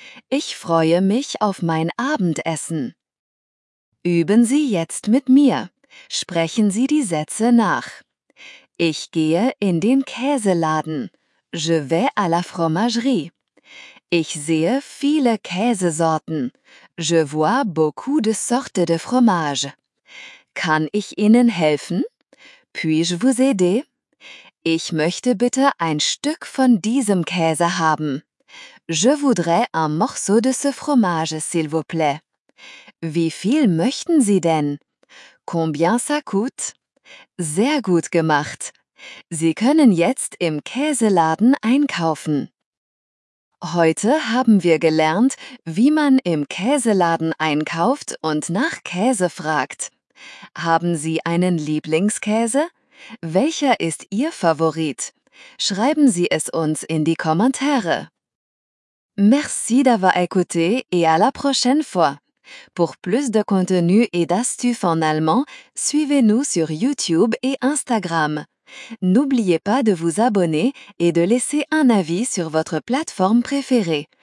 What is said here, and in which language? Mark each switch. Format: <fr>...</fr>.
<de>Ich freue mich auf mein Abendessen. Üben Sie jetzt mit mir. Sprechen Sie die Sätze nach. Ich gehe in den Käseladen.</de> <fr>Je vais à la fromagerie.</fr> <de>Ich sehe viele Käsesorten.</de> <fr>Je vois beaucoup de sortes de fromage.</fr> <de>Kann ich Ihnen helfen?</de> <fr>Puis-je vous aider?</fr> <de>Ich möchte bitte ein Stück von diesem Käse haben.</de> <fr>Je voudrais un morceau de ce fromage, s'il vous plaît.</fr> <de>Wie viel möchten Sie denn?</de> <fr>Combien ça coûte?</fr> <de>Sehr gut gemacht. Sie können jetzt im Käseladen einkaufen. Heute haben wir gelernt, wie man im Käseladen einkauft und nach Käse fragt. Haben Sie einen Lieblingskäse? Welcher ist Ihr Favorit? Schreiben Sie es uns in die Kommentare.</de> <fr>Merci d'avoir écouté et à la prochaine fois. Pour plus de contenu et d'astuces en allemand, suivez-nous sur YouTube et Instagram. N'oubliez pas de vous abonner et de laisser un avis sur votre plateforme préférée.</fr>